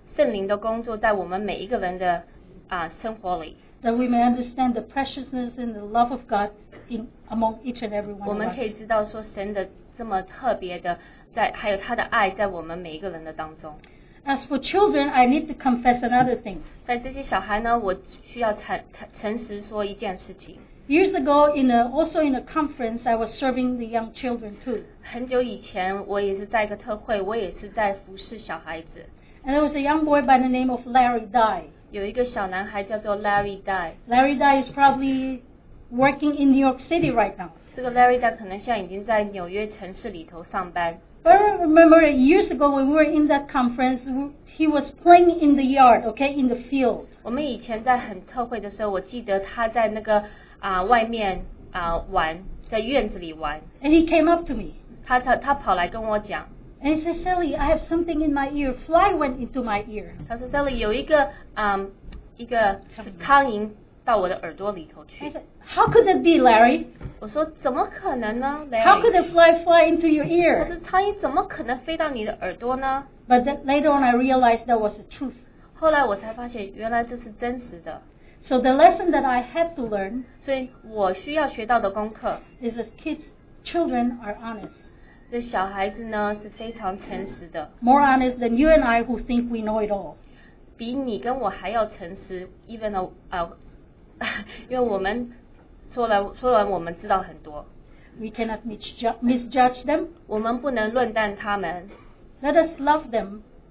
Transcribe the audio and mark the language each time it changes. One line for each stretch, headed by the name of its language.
Chinese: 就是神的恩典还有圣灵的工作在我们每一个人的, ,生活里。
English: That we may understand the preciousness and the love of God in among each and every one of us.
Chinese: 我们可以知道说神的这么特别的, 还有他的爱在我们每一个人的当中。
English: As for children, I need to confess another thing.
Chinese: 在这些小孩呢, 我需要诚实说一件事情。
English: Years ago, also in a conference, I was serving the young children too.
Chinese: 很久以前, 我也是在一个特会, 我也是在服侍小孩子。
English: And there was a young boy by the name of Larry Dye.
Chinese: 有一个小男孩叫做 Larry Dye.
English: Larry Dye is probably working in New York City right now.
Chinese: 这个 Larry Dye 可能现在已经在纽约城市里头上班。
English: I remember years ago when we were in that conference, he was playing in the yard, okay, in the field.
Chinese: 我们以前在很特会的时候, 我记得他在那个, 外面, 玩, 在院子里玩。
English: And he came up to me.
Chinese: 他跑来跟我讲。
English: And he said, Sally, I have something in my ear. Fly went into my ear.
Chinese: 他说, Sally, 有一个, 一个 苍蝇 到我的耳朵里头去。
English: How could that be, Larry?
Chinese: 我说, 怎么可能呢, Larry?
English: How could a fly fly into your ear?
Chinese: 我说, 苍蝇怎么可能飞到你的耳朵呢?
English: But then, later on, I realized that was the truth.
Chinese: 后来我才发现, 原来这是真实的。
English: So the lesson that I had to learn,
Chinese: 所以我需要学到的功课,
English: is that kids, children are honest.
Chinese: 这小孩子呢, 是非常诚实的。
English: More honest than you and I who think we know it all.
Chinese: 比你跟我还要诚实,
English: even though,
Chinese: 因为我们说了我们知道很多,
English: we cannot misjudge them.
Chinese: 我们不能论断他们,
English: let us love them,